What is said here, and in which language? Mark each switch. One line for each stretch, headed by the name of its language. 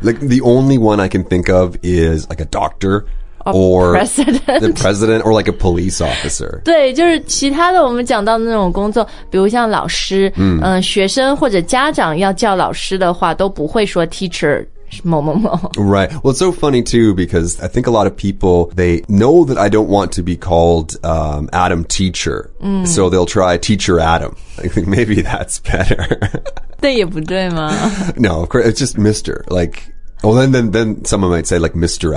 English: Like the only one I can think of is like a doctorOr president. The president or like a police officer.
Chinese: 对就是其他的我们讲到的那种工作比如像老师、学生或者家长要叫老师的话都不会说 teacher 某某某。
English: Right. Well, it's so funny too because I think a lot of people, they know that I don't want to be called、Adam teacher.、So they'll try teacher Adam. I think maybe that's better.
Chinese: 对也不对吗
English: No, of course, it's just Mr. Like,Well, then someone might say, like, Mr.